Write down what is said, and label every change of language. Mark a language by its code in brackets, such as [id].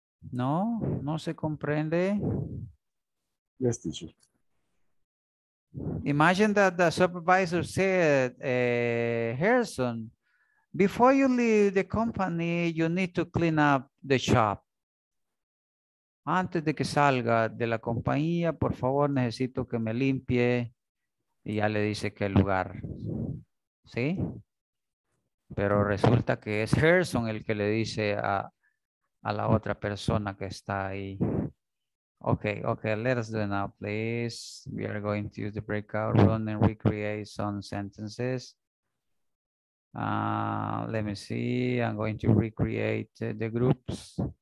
[es] No, no se comprende. [en] Yes, teacher. Imagine that the supervisor said, Harrison, before you leave the company, you need to clean up the shop. [es] Antes de que salga de la compañía, por favor, necesito que me limpie. Y ya le dice qué lugar. ¿Sí? Pero resulta que es Harrison el que le dice a la otra persona que está ahí. [en] Okay, okay, let us do it now, please. We are going to use the breakout room and recreate some sentences. Let me see, I'm going to recreate the groups.